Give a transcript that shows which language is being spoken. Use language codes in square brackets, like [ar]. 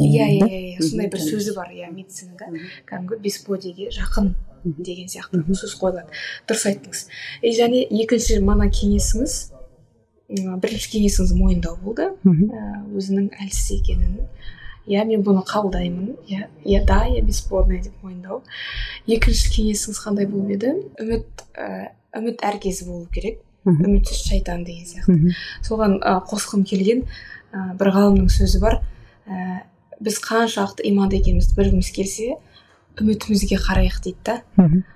[kk] Иә. Сондай бір сөзі бар, иә, медицинада. Кәдімгі бесплодиеге жақын деген сияқты сөз қойылады. Дұрыс айттыңыз. Және екінші мана кеңесіңіз, бірінші кеңесіңіз мойындау болды. Өзінің әлсіз екенін. Иә, мен бұны қабылдаймын. Иә, [ru] да, я бесплодная [kk] деп мойындау. Екінші кеңесіңіз қандай болып еді? Үміт әркезі болу керек, үмітсіз шайтан деген сияқты. Соған қосқым келген бір ғалымның сөзі бар. Біз қаншалықты иманды екенімізді білгіміз келсе, үмітімізге қарайық дейді да.